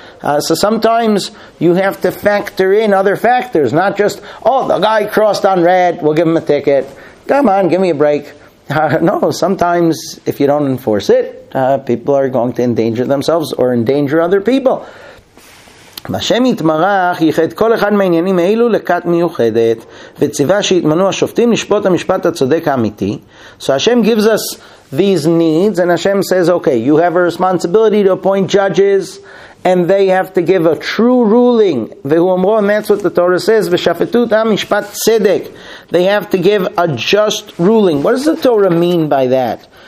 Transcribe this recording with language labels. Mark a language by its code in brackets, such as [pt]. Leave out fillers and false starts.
[en] So sometimes you have to factor in other factors, not just, oh, the guy crossed on red, we'll give him a ticket. come on, give me a break. No, sometimes if you don't enforce it, people are going to endanger themselves or endanger other people. [he] השם יתמרח ייחד כל אחד מהעניינים האלו לקט מיוחדת וציווה שיתמנו השופטים לשפוט המשפט הצודק האמיתי. [en] So Hashem gives us these needs and Hashem says, okay, you have a responsibility to appoint judges and they have to give a true ruling. [he] והוא אמרו, [en] and that's what the Torah says, [he] ושפטו אותם משפט צדק. [en] They have to give a just ruling. What does the Torah mean by that?